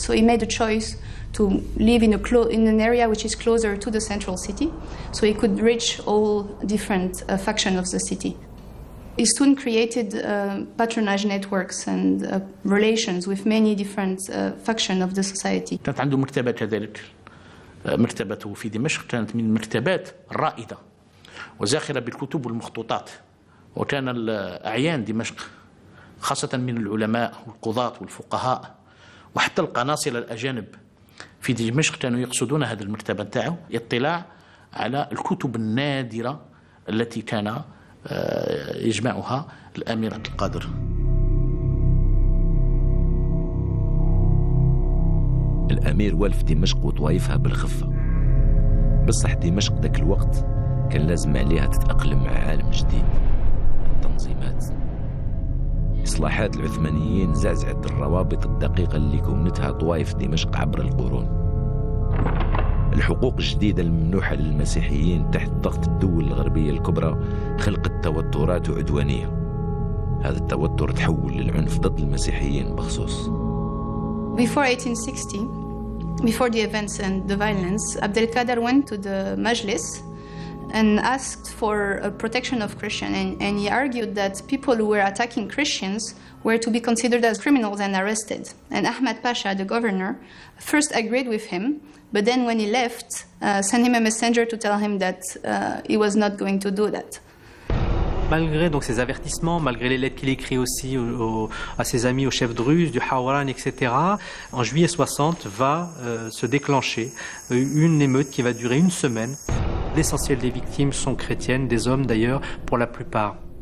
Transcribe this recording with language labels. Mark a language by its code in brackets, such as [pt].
[en] So he made a choice to live in an area which is closer to the central city, so he could reach all different factions of the city. Istun created patronage networks and relations with many different factions of the society. [ar] كانت عنده مكتبة كذلك. مكتبته في دمشق كانت من المكتبات الرائدة وزاخرة بالكتب والمخطوطات. وكان الأعيان دمشق خاصة من العلماء والقضاة والفقهاء وحتى القناصلة الأجانب في دمشق كانوا يقصدون هذا المكتبة تاعو اطلاع على الكتب النادرة التي كان يجمعها الأمير عبد القادر. الأمير والف دمشق وطوايفها بالخفة. بصح دمشق ذاك الوقت كان لازم عليها تتأقلم مع عالم جديد. التنظيمات إصلاحات العثمانيين زعزعت الروابط الدقيقة اللي كونتها طوايف دمشق عبر القرون. الحقوق الجديدة الممنوحة للمسيحيين تحت ضغط الدول الغربية الكبرى خلقت توترات وعدوانية. هذا التوتر تحول للعنف ضد المسيحيين بخصوص. [en] Before 1860, before the events and the violence, Abdelkader went to the Majlis and asked for a protection of Christians, and he argued that people who were attacking Christians were to be considered as criminals and arrested. And Ahmed Pasha, the governor, first agreed with him, but then when he left, sent him a messenger to tell him that he was not going to do that. [fr] Malgré donc ces avertissements, malgré les lettres qu'il écrit aussi à ses amis, aux chefs de Rus, du Hawaran, etc., en juillet 60 va se déclencher une émeute qui va durer une semaine. L'essentiel des victimes sont chrétiennes, des hommes d'ailleurs, pour la plupart.